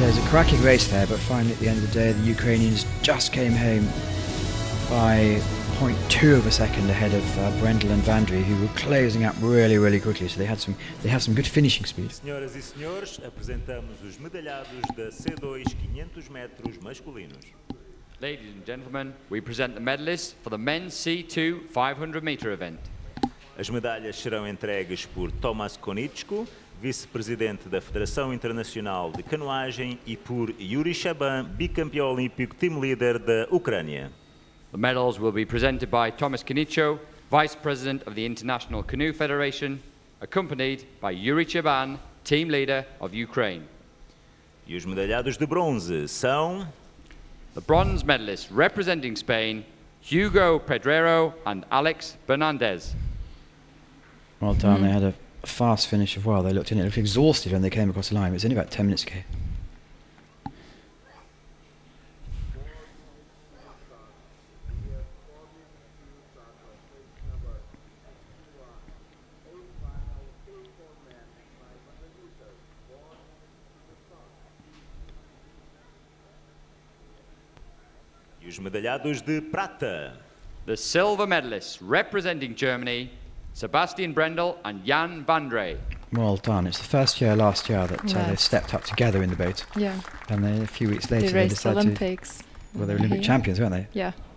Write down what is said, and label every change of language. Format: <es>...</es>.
<en>Cracking race there, but finally at the end of the day, the Ukrainians just came home by 0.2 of a second ahead of Brendel and Vandry, who were closing up really, really quickly. So they have some good finishing speed.</en> <pt>Senhoras e senhores, apresentamos os medalhados da C2 500 metros masculinos.</pt> <en>Ladies and gentlemen, we present the medalists for the men's C2 500 meter event.</en> <pt>As medalhas serão entregues por Tomasz Konieczko, vice-presidente da Federação Internacional de Canoagem, e por Yuri Shaban, bicampeão olímpico team leader da Ucrânia.</pt> <en>The medals will be presented by Tomasz Konieczko, vice-president of the International Canoe Federation, accompanied by Yuri Shaban, team leader of Ukraine.</en> <pt>E os medalhados de bronze são...</pt> <en>The bronze medalists representing Spain, Hugo Pedrero and Alex Bernandez. Well done, they had a fast finish of while they looked in. It looked exhausted when they came across the line. It was only about 10 minutes ago. E os medalhados de prata. The silver medalists representing Germany, Sebastian Brendel and Jan Vandre. Well done. It's the first year last year that they stepped up together in the boat. Yeah. And then a few weeks later they raced Olympics. Well, they were Olympic champions, weren't they? Yeah.</en>